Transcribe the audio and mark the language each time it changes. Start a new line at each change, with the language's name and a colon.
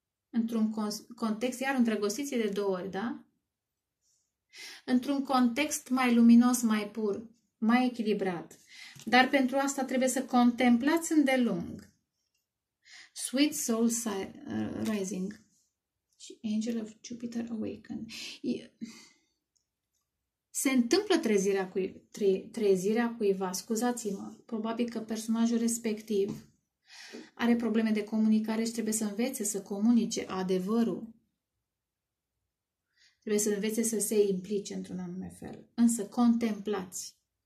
Romanian: Într-un context, iar îndrăgostiții de două ori, da? Într-un context mai luminos, mai pur, mai echilibrat. Dar pentru asta trebuie să contemplați îndelung.
English: Sweet soul rising. Angel of Jupiter awakened.
Romanian: Se întâmplă trezirea cuiva. Scuzați-mă. Probabil că personajul respectiv are probleme de comunicare și trebuie să învețe să comunice adevărul. Trebuie să învețe să se implice într-un anume fel. Însă, contemplați.